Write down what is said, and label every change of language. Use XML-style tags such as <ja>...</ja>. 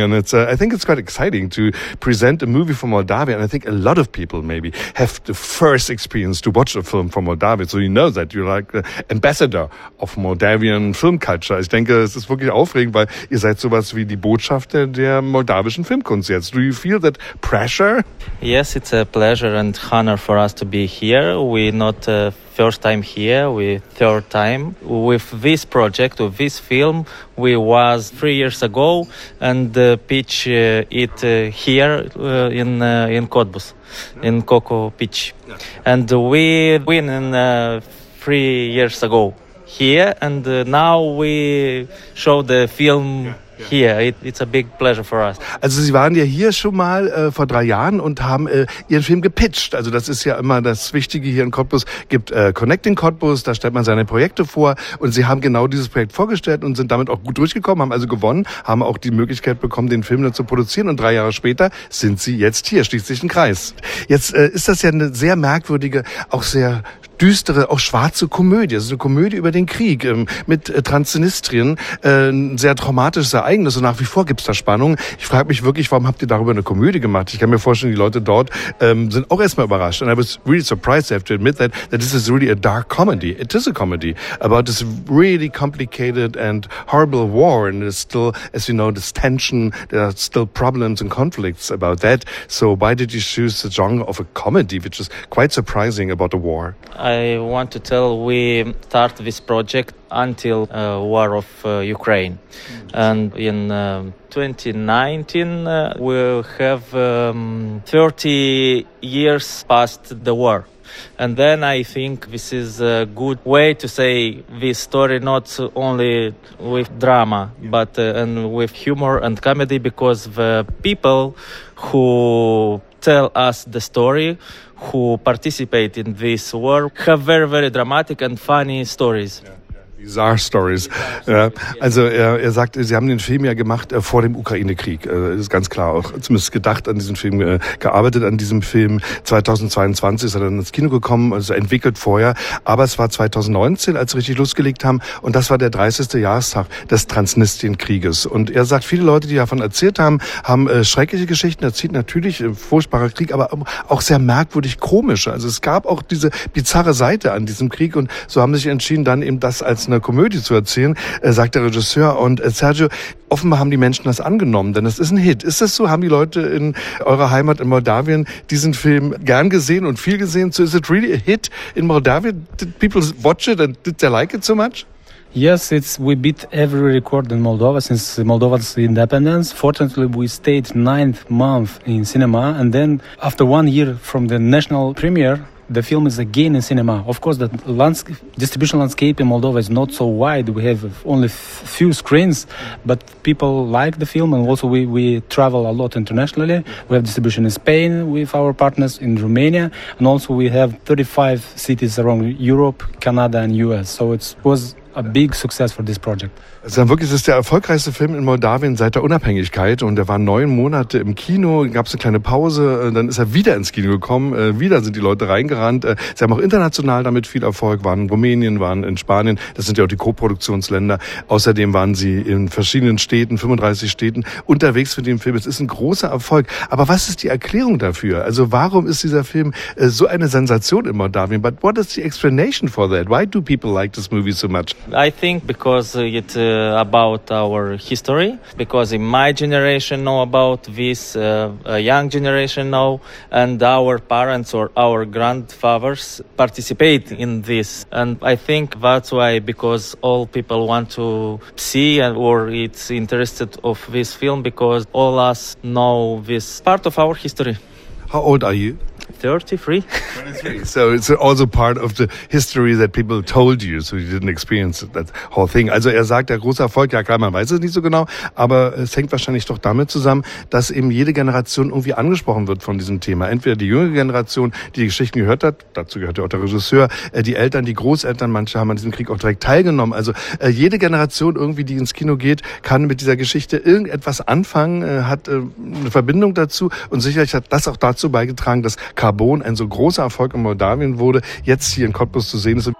<en>And it's, I think it's quite exciting to present a movie from Moldavia. And I think a lot of people maybe have the first experience to watch a film from Moldavia. So you know that you're like the ambassador of Moldavian film culture.</en> <de>Ich denke, es ist wirklich aufregend, weil ihr seid sowas wie die Botschafter der moldawischen Filmkunst jetzt.</de> <en>Do you feel that pressure? Yes, it's a pleasure and honor for us to be here. We're not first time here, third time. With this project, with this film, we was 3 years ago and pitch it here in Cottbus, in Coco Pitch. And we win 3 years ago. Here and now we show the film here. It's a big pleasure for us.</en> <de>Also Sie waren ja hier schon mal vor 3 Jahren und haben Ihren Film gepitcht. Also das ist ja immer das Wichtige hier in Cottbus. Gibt Connecting Cottbus, da stellt man seine Projekte vor und Sie haben genau dieses Projekt vorgestellt und sind damit auch gut durchgekommen, haben also gewonnen, haben auch die Möglichkeit bekommen, den Film dann zu produzieren und 3 Jahre später sind Sie jetzt hier, schließt sich ein Kreis. Jetzt ist das ja eine sehr merkwürdige, auch sehr düstere, auch schwarze Komödie. Es ist eine Komödie über den Krieg mit Transnistrien. Ein sehr traumatisches Ereignis und nach wie vor gibt es da Spannung. Ich frage mich wirklich, warum habt ihr darüber eine Komödie gemacht? Ich kann mir vorstellen, die Leute dort sind auch erstmal überrascht.</de> <en>And I was really surprised, I have to admit that this is really a dark comedy. It is a comedy about this really complicated and horrible war. And there's still, as you know, this tension, there are still problems and conflicts about that. So why did you choose the genre of a comedy, which is quite surprising about the war? I want to tell we start this project until war of Ukraine. And in 2019 we have 30 years past the war. And then I think this is a good way to say this story not only with drama but and with humor and comedy, because the people who tell us the story, who participate in this war, have very, very dramatic and funny stories. Bizarre Stories. Ja.</en> <de>Also er sagt, Sie haben den Film ja gemacht vor dem Ukraine-Krieg. Ist ganz klar auch zumindest gedacht an diesen Film, gearbeitet an diesem Film. 2022 ist er dann ins Kino gekommen, also entwickelt vorher. Aber es war 2019, als sie richtig losgelegt haben. Und das war der 30. Jahrestag des Transnistrien-Krieges. Und er sagt, viele Leute, die davon erzählt haben, haben schreckliche Geschichten erzählt. Natürlich furchtbarer Krieg, aber auch sehr merkwürdig komische. Also es gab auch diese bizarre Seite an diesem Krieg. Und so haben sie sich entschieden, dann eben das als eine Komödie zu erzählen, sagt der Regisseur. Und Sergio, offenbar haben die Menschen das angenommen, denn es ist ein Hit. Ist das so? Haben die Leute in eurer Heimat in Moldawien diesen Film gern gesehen und viel gesehen?</de> <en>So, is it really a hit in Moldavia? Did people watch it and did they like it so much? Yes, we beat every record in Moldova since Moldova's independence. Fortunately, we stayed 9 months in cinema, and then after 1 year from the national premiere, the film is again in cinema. Of course, the distribution landscape in Moldova is not so wide. We have only few screens, but people like the film, and also we travel a lot internationally. We have distribution in Spain with our partners, in Romania, and also we have 35 cities around Europe, Canada and US. So it was a big success for this project.</en> <de>Also wirklich, es ist der erfolgreichste Film in Moldawien seit der Unabhängigkeit und er war 9 Monate im Kino, gab es eine kleine Pause, dann ist er wieder ins Kino gekommen, wieder sind die Leute reingerannt. Sie haben auch international damit viel Erfolg, waren in Rumänien, waren in Spanien, das sind ja auch die Co-Produktionsländer. Außerdem waren sie in verschiedenen Städten, 35 Städten, unterwegs für den Film. Es ist ein großer Erfolg. Aber was ist die Erklärung dafür? Also warum ist dieser Film so eine Sensation in Moldawien?</de> <en>But what is the explanation for that? Why do people like this movie so much?</en> <de>I think because it's about our history, because in my generation know about this, a young generation know, and our parents or our grandfathers participate in this. And I think that's why, because all people want to see or it's interested of this film, because all us know this part of our history.</de> <en>How old are you? 33. So it's also part of the history that people told you, so you didn't experience that whole thing.</en> <de>Also er sagt, der große Erfolg, ja klar, man weiß es nicht so genau, aber es hängt wahrscheinlich doch damit zusammen, dass eben jede Generation irgendwie angesprochen wird von diesem Thema. Entweder die jüngere Generation, die die Geschichten gehört hat, dazu gehört ja auch der Regisseur, die Eltern, die Großeltern, manche haben an diesem Krieg auch direkt teilgenommen. Also jede Generation irgendwie, die ins Kino geht, kann mit dieser Geschichte irgendetwas anfangen, hat eine Verbindung dazu und sicherlich hat das auch dazu beigetragen, dass Carbon ein so großer Erfolg in Moldawien wurde, jetzt hier in Cottbus zu sehen ist.</de>